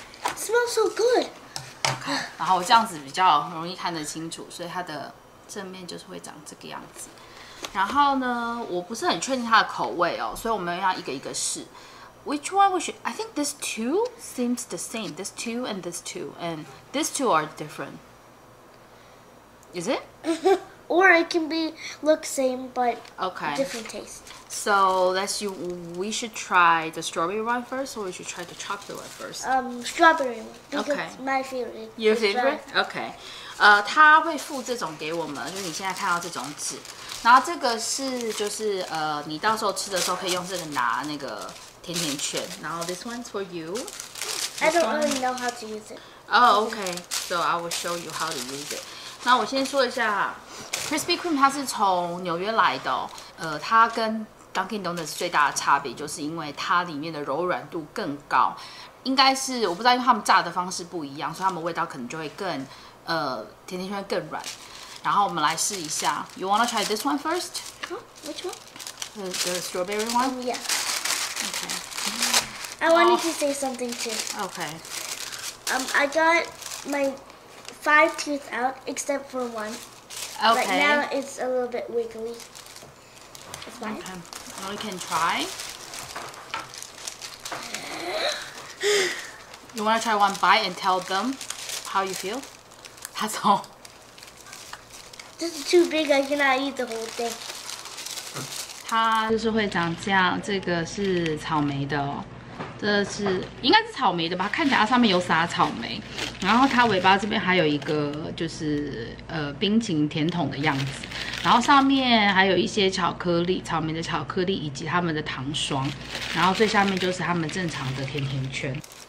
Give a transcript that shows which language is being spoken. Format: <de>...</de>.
<en>It、smells so good.</en> <zh>Okay, 然后我这样子比较容易看得清楚，所以它的正面就是会长这个样子。然后呢，我不是很确定它的口味哦，所以我们要一个一个试。</zh> <en>Which one we should? I think this two seems the same. This two and this two and this two are different. Is it? Or it can be look same but different taste. So let's you. We should try the strawberry one first, or we should try the chocolate one first. Strawberry. My favorite. Your favorite. Okay.</en> <zh>他会附这种给我们，就是你现在看到这种纸，然后这个是就是你到时候吃的时候可以用这个拿那个甜甜圈。然后</zh> <en>this one's for you. I don't really know how to use it. Oh, okay. So I will show you how to use it.</en> <zh>那我先说一下 ，Krispy Kreme 它是从纽约来的、哦，它跟 Dunkin' Donuts 最大的差别就是因为它里面的柔软度更高，应该是我不知道，因为他们炸的方式不一样，所以他们味道可能就会更甜甜圈更软。然后我们来试一下</zh> <en>，You wanna try this one first？ Huh? Which one？ The strawberry one？ Yeah. Okay. I wanted to say something too. Okay. I got my five teeth out, except for one. Okay. But now it's a little bit wiggly. It's fine. Okay. Well, we can try. You want to try one bite and tell them how you feel? That's all. This is too big. I cannot eat the whole thing.</en> <zh>它就是会长这样。这个是草莓的哦，这是应该是草莓的吧，看起来它上面有撒草莓，然后它尾巴这边还有一个就是冰淇淋甜筒的样子，然后上面还有一些巧克力，草莓的巧克力以及他们的糖霜，然后最下面就是他们正常的甜甜圈。</zh>